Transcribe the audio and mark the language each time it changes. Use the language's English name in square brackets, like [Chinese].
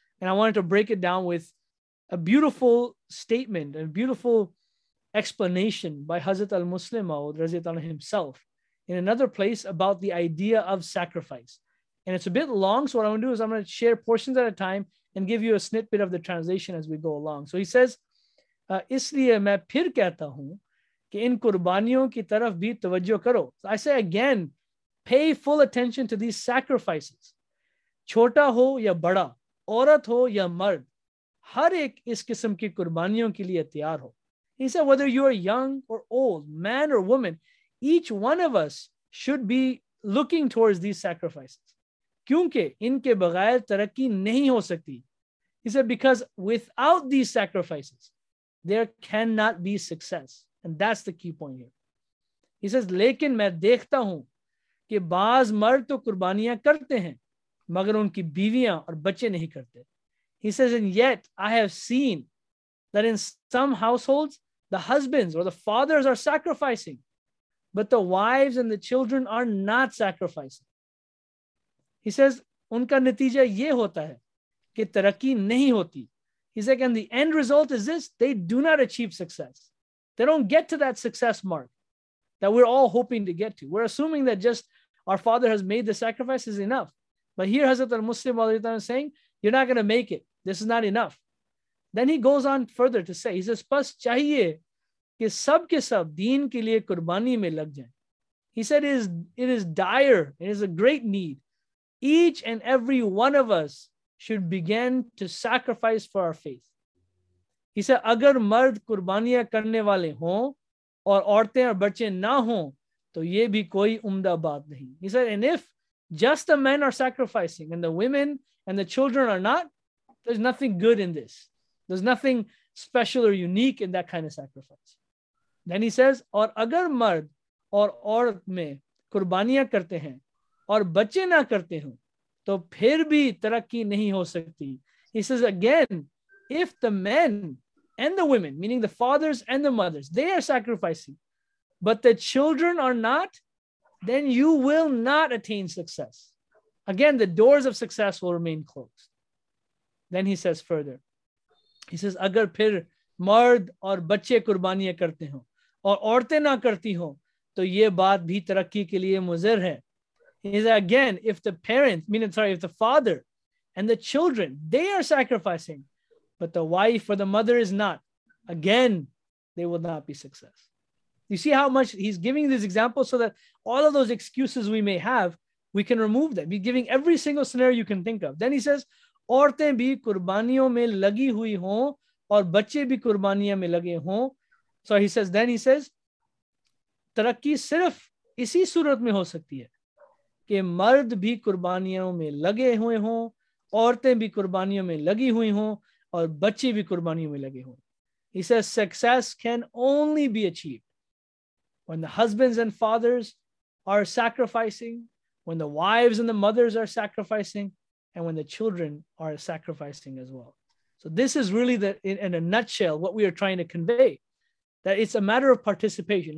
[English] And I wanted to break it down with a beautiful statement, a beautiful explanation by Hazrat al-Muslim Maud r.a. himself in another place about the idea of sacrifice. And it's a bit long, so what I'm going to do is I'm going to share portions at a time and give you a snippet of the translation as we go along. So he says, [Urdu] اس لیے میں پھر کہتا ہوں کہ ان قربانیوں کی طرف بھی توجہ کرو۔ [English] So I say again, pay full attention to these sacrifices. [Urdu] چھوٹا ہو یا بڑا، عورت ہو یا مرد، ہر ایک اس قسم کی قربانیوں کے لیے تیار ہو۔ [English] He said, whether you are young or old, man or woman, each one of us should be looking towards these sacrifices. [Urdu] کیونکہ ان کے بغیر ترقی نہیں ہو سکتی۔ [English] He said, because without these sacrifices, there cannot be success. And that's the key point here. He says, [Urdu] لیکن میں دیکھتا ہوں کہ بعض مرد تو قربانیاں کرتے ہیں، مگر ان کی بیویاں اور بچے نہیں کرتے۔ [English] He says, and yet I have seen that in some households, the husbands or the fathers are sacrificing, but the wives and the children are not sacrificing. He says, [Urdu] ان کا نتیجہ یہ ہوتا ہے کہ ترقی نہیں ہوتی۔ [English] He's like, and the end result is this, they do not achieve success. They don't get to that success mark that we're all hoping to get to. We're assuming that just our father has made the sacrifice is enough. But here Hazrat al-Muslim is saying, you're not going to make it. This is not enough. Then he goes on further to say, he says, [Urdu] بس چاہیے کہ سب کے سب دین کے لیے قربانی میں لگ جائے۔ [English] He said, it is dire. It is a great need. Each and every one of us should begin to sacrifice for our faith. He said, [Urdu] اگر مرد قربانیاں کرنے والے ہو، اور عورتیں اور بچے نہ ہو، تو یہ بھی کوئی عمدہ بات نہیں۔ [English] He said, and if just the men are sacrificing and the women and the children are not, there's nothing good in this. There's nothing special or unique in that kind of sacrifice. Then he says, [Urdu] اور اگر مرد اور عورت میں قربانیاں کرتے ہیں اور بچے نہ کرتے ہو، تو پھر بھی ترقی نہیں ہو سکتی۔ [English] He says again, if the men and the women, meaning the fathers and the mothers, they are sacrificing, but the children are not, then you will not attain success. Again, the doors of success will remain closed. Then he says further, he says, [Urdu] اگر پھر مرد اور بچے قربانیاں کرتے ہو اور عورتیں نہ کرتی ہو، تو یہ بات بھی ترقی کے لیے مضر ہے۔ [English] He says again, if the father and the children, they are sacrificing, but the wife or the mother is not, again, they will not be success. You see how much he's giving these examples so that all of those excuses we may have, we can remove them. He's giving every single scenario you can think of. Then he says, [Urdu] "عورتیں بھی قربانیوں میں لگی ہوئی ہوں، اور بچے بھی قربانیوں میں لگے ہوں۔" [English] So he says, then he says, [Urdu] "ترقی صرف اسی صورت میں ہو سکتی ہے، کہ مرد بھی قربانیوں میں لگے ہوئے ہوں، عورتیں بھی قربانیوں میں لگی ہوئی ہوں، اور بچے بھی قربانیوں میں لگے ہوں۔" [English] He says, success can only be achieved when the husbands and fathers are sacrificing, when the wives and the mothers are sacrificing, and when the children are sacrificing as well. So this is really, in a nutshell, what we are trying to convey, that it's a matter of participation.